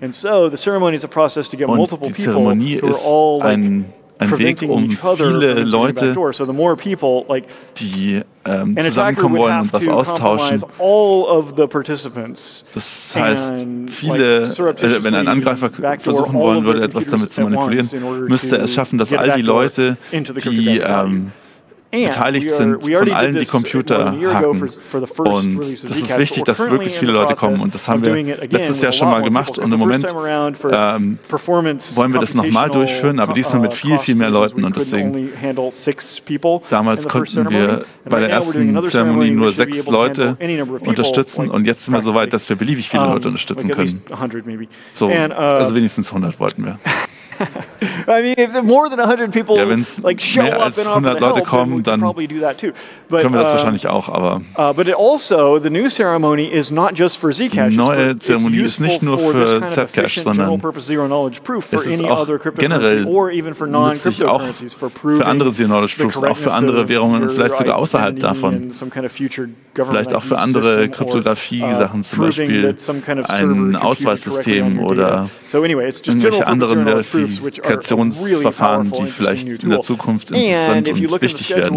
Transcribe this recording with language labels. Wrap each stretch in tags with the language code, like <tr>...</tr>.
<en>And so the ceremony is a process to get multiple people who are all like</en> <de>ein Weg, um viele Leute, die zusammenkommen wollen und was austauschen. Das heißt, viele, wenn ein Angreifer versuchen wollen würde, etwas damit zu manipulieren, müsste er es schaffen, dass all die Leute, die beteiligt sind, von allen die Computer hacken. Und das ist wichtig, dass wirklich viele Leute kommen. Und das haben wir letztes Jahr schon mal gemacht. Und im Moment wollen wir das nochmal durchführen, aber diesmal mit viel, viel mehr Leuten. Und deswegen, damals konnten wir bei der ersten Zeremonie nur 6 Leute unterstützen. Und jetzt sind wir so weit, dass wir beliebig viele Leute unterstützen können. So, also wenigstens 100 wollten wir.</de> <en>I mean, if more than 100 people show up and offer to help,</en> <de>kommen,</de> <en>then we can probably do that too. But,</en> <de>können wir das wahrscheinlich auch, aber</de> <en>but it also, the new ceremony is not just for Zcash.</en> <de>Die neue Zeremonie ist nicht nur für Zcash, sondern es ist auch generell nützlich auch für andere Zero-Knowledge-Proofs, auch für andere Währungen und vielleicht sogar außerhalb davon. Vielleicht auch für andere Kryptografie-Sachen, zum Beispiel ein Ausweissystem oder irgendwelche anderen Verifikationsverfahren, die vielleicht in der Zukunft interessant und wichtig werden.</de>